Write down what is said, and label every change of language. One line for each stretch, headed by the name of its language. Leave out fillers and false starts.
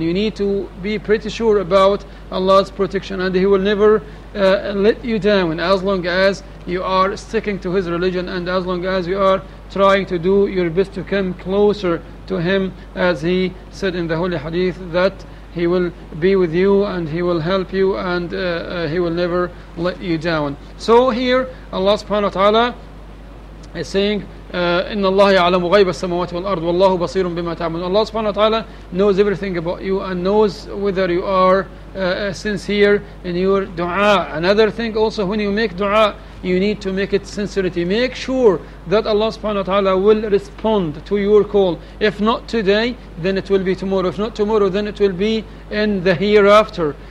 English: You need to be pretty sure about Allah's protection, and he will never let you down as long as you are sticking to his religion and as long as you are trying to do your best to come closer to him, as he said in the Holy Hadith that he will be with you and he will help you and he will never let you down. So here Allah subhanahu wa ta'ala is saying,
Arabic: إن الله يعلم غيب السماوات والأرض والله بصير بما تعملون.
English: Allah subhanahu wa ta'ala knows everything about you and knows whether you are sincere in your dua. Another thing also, when you make dua, you need to make it sincerity. Make sure that Allah subhanahu wa ta'ala will respond to your call. If not today, then it will be tomorrow. If not tomorrow, then it will be in the hereafter.